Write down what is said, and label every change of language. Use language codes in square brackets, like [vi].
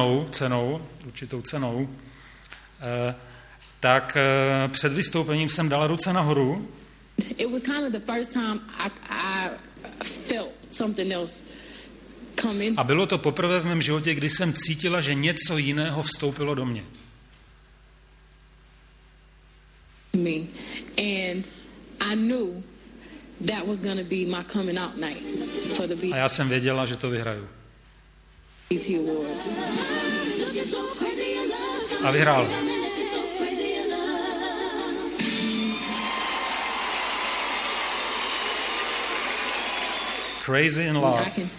[cs] Cenou, určitou cenou, tak před vystoupením jsem dala ruce nahoru. [en] It was kind of the first time I felt something else come into. [cs] A bylo to poprvé v mém životě, kdy jsem cítila, že něco jiného vstoupilo do mě. [en] Me. And I knew that was going to be my coming out night for the [cs] BET. A já jsem věděla, že to vyhraju. [en] BET Awards. [cs] A vyhrál. [en] Crazy in Love.